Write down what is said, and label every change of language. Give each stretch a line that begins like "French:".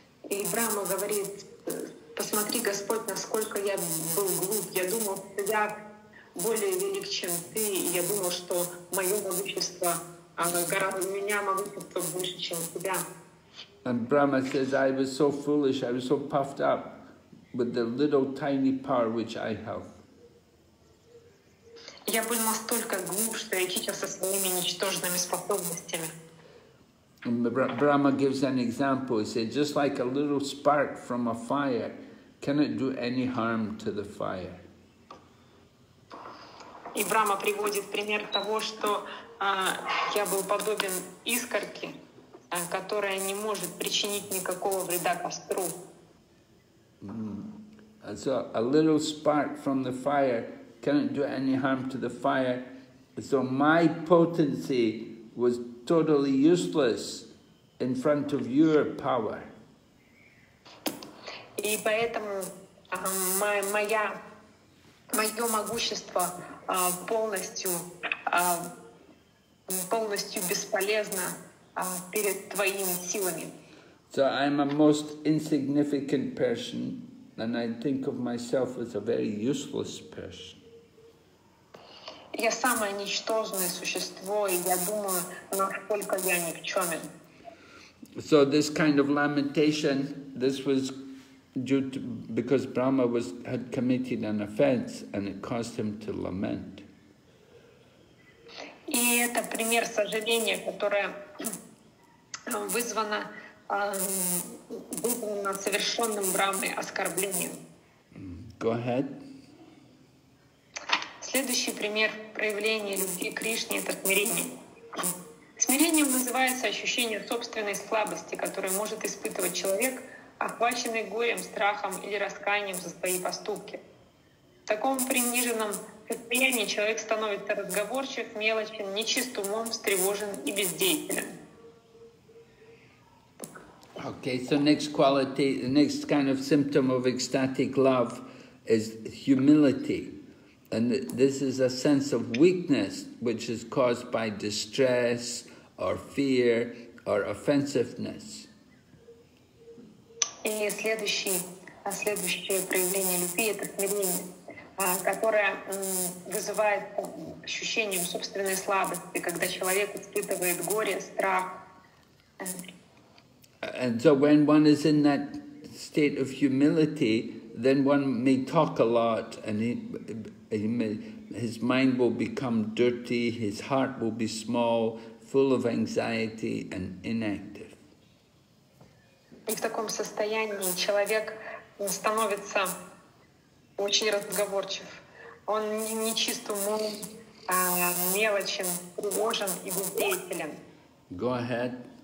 Russian: И Брама говорит: посмотри, Господь, насколько я был глуп. Я думал, что я более велик, чем ты. Я думал, что мое могущество гораздо меня могущество больше, чем у тебя.
English: And Brahma says, I was so foolish. I was so puffed up with the little tiny power which I have.
Russian: Я был настолько глуп, что я кичился своими ничтожными способностями.
English: Brahma gives an example. He said, just like a little spark from a fire, can it do any harm to the fire?
Russian: И Брама приводит пример того, что я был подобен искорке, которая не может причинить никакого вреда костру.
English: So a little spark from the fire cannot do any harm to the fire. So my potency was totally useless in front of your power.
Russian: И поэтому мое могущество полностью бесполезно перед твоими силами.
English: So I'm a most insignificant person, and I think of myself as a very useless person.
Russian: Я самое ничтожное существо, и я думаю, насколько я никчемен.
English: So this kind of lamentation, this was due to, because Brahma had committed an offense, and it caused him to lament.
Russian: И это пример сожаления, которое вызвано выполнено совершенным Брамой оскорблением.
English: Go ahead.
Russian: Следующий пример проявления любви к Кришне — это смирение. Смирением называется ощущение собственной слабости, которое может испытывать человек, охваченный горем, страхом или раскаянием за свои поступки. В таком приниженном состоянии человек становится разговорчив, мелочен, нечист умом, встревожен и бездеятелен.
English: Okay, so next quality, the next kind of symptom of ecstatic love is humility. And this is a sense of weakness which is caused by distress or fear or offensiveness.
Russian: И следующее проявление любви — это смирение, которое вызывает ощущением собственной слабости, когда человек испытывает горе, страх.
English: And so when one is in that state of humility, then one may talk a lot, and his mind will become dirty, his heart will be small, full of anxiety and inactive.
Russian: И в таком состоянии человек становится очень разговорчив. Он нечист умом, мелочен, тревожен и бездеятелен.
English: Go ahead.